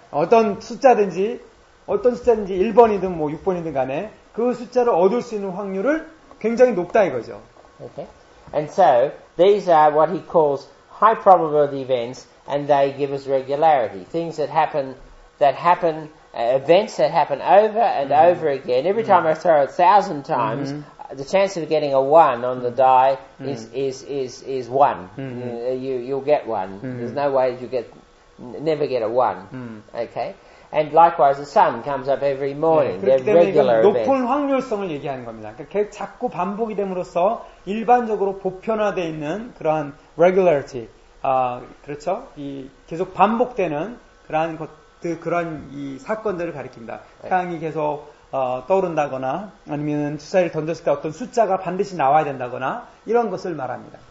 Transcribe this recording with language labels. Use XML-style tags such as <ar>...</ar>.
<ko>어떤 숫자든지 1번이든 뭐 6번이든 간에 그 숫자를 얻을 수 있는 확률을 굉장히 높다 이거죠.</ko> <en>Okay. And so these are what he calls high probability events, and they give us regularity. Things that happen, events that happen over and over again. Every time I throw 1,000 times, the chance of getting a one on the die is one. You'll get one. There's no way you never get a one. Okay. And likewise, the sun comes up every morning.</en> <ko>네,</ko> <en>they're regular events.</en> <ko>높은 확률성을 얘기하는 겁니다. 그러니까 계속 자꾸 반복이 됨으로써 일반적으로 보편화되어 있는 그러한 regularity. 그렇죠? 이 계속 반복되는 그러한 것들, 그러한 이 사건들을 가리킵니다. 태양이 계속, 떠오른다거나 아니면 주사위를 던졌을 때 어떤 숫자가 반드시 나와야 된다거나 이런 것을 말합니다.</ko>